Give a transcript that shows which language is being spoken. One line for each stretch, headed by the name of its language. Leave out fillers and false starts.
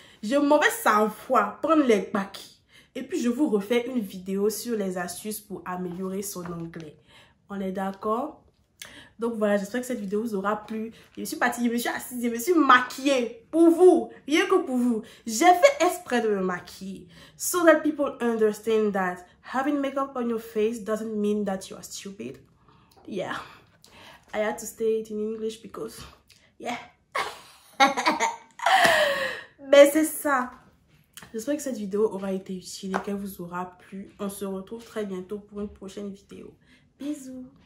French: Je m'en vais sans foi prendre les bacs. Et puis, je vous refais une vidéo sur les astuces pour améliorer son anglais. On est d'accord? Donc voilà, j'espère que cette vidéo vous aura plu. Je me suis partie, je me suis assise, je me suis maquillée pour vous. Rien que pour vous. J'ai fait exprès de me maquiller.
English: So that people understand that having makeup on your face doesn't mean that you are stupid. Yeah. I had to say it in English because... Yeah.
French: Mais c'est ça. J'espère que cette vidéo aura été utile et qu'elle vous aura plu. On se retrouve très bientôt pour une prochaine vidéo. Bisous.